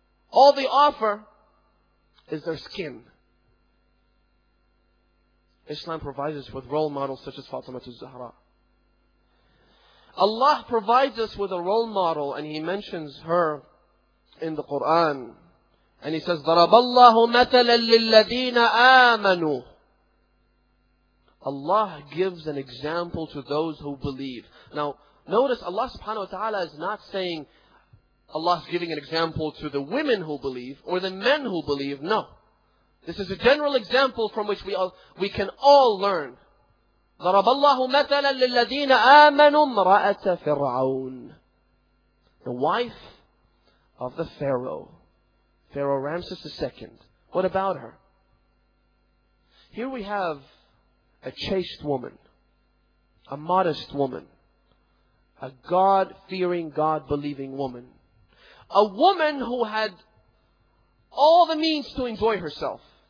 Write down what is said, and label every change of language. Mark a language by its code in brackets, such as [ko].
[en] All they offer is their skin. Islam provides us with role models such as Fatima az-Zahra. Allah provides us with a role model, and He mentions her in the Quran. And He says, [ar] ضَرَبَ اللَّهُ مَثَلًا لِلَّذِينَ آمَنُوا. [en] Allah gives an example to those who believe. Now, notice Allah subhanahu wa ta'ala is not saying Allah is giving an example to the women who believe or the men who believe. No. This is a general example from which we can all learn. [ar] ضَرَبَ اللَّهُ مَثَلًا لِلَّذِينَ آمَنُوا امْرَأَةَ فِرْعَوْنَ. [en] The wife of the Pharaoh. Pharaoh Ramses II. What about her? Here we have a chaste woman, a modest woman, a God-fearing, God-believing woman, a woman who had all the means to enjoy herself.